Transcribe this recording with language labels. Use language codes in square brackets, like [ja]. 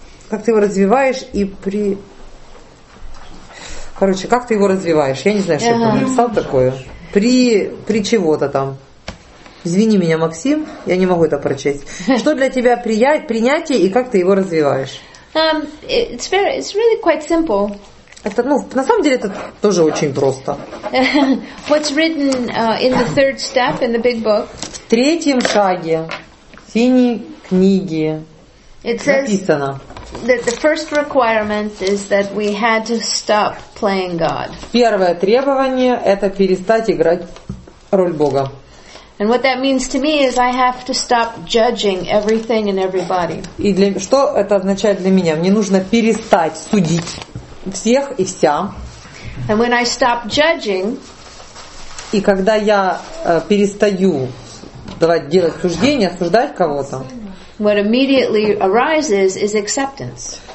[ru] Как ты его развиваешь и при... Короче, как ты его развиваешь? Я не знаю, что я там написал такое. При чего-то там. Извини меня, Максим, я не могу это прочесть. Что для тебя принятие и как ты его развиваешь? [en] It's really quite simple. [ru] Это, ну, на самом деле это тоже очень просто. [en] What's written in the third step in the big book? [ru] В третьем шаге синей книги написано. [en] That the first requirement is that we had to stop playing God. [ru] Первое требование – это перестать играть роль Бога. [en] And what that means to me is I have to stop judging everything and everybody. [ru] И для что это означает для меня? Мне нужно перестать судить всех и вся. [en] And when I stop judging, [ru] и когда я перестаю давать делать суждения, осуждать кого-то. [en] What immediately arises is acceptance.